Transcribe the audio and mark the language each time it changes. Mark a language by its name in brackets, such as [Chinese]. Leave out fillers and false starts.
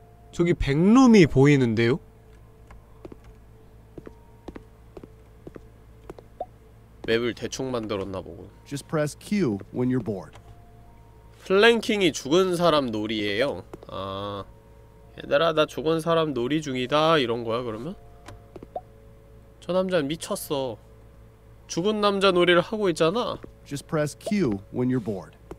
[Korean] 저기 백룸이 보이는데요? 맵을 대충 만들었나 보군. [English] Just press Q when you're bored. [Korean] 플랭킹이 죽은 사람 놀이예요. 아, 얘들아, 나 죽은 사람 놀이 중이다. 이런 거야, 그러면? 저 남자는 미쳤어. 죽은 남자 놀이를 하고 있잖아. [English] Just press Q when you're bored.